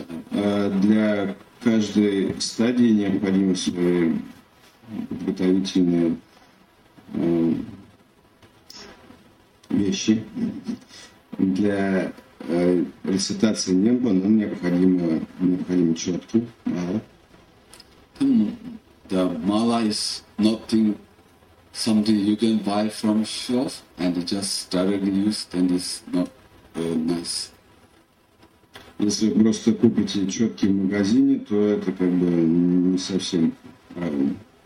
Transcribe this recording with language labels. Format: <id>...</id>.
<ru>Для каждой стадии необходимы свои подготовительные вещи. Для рецитации немба нам необходимо четки, мала.</ru> <en>The mala is nothing, something you can buy from shelf and just directly use, then it's not nice.</en> <ru>Если вы просто купите четки в магазине, то это как бы не совсем правильно.</ru>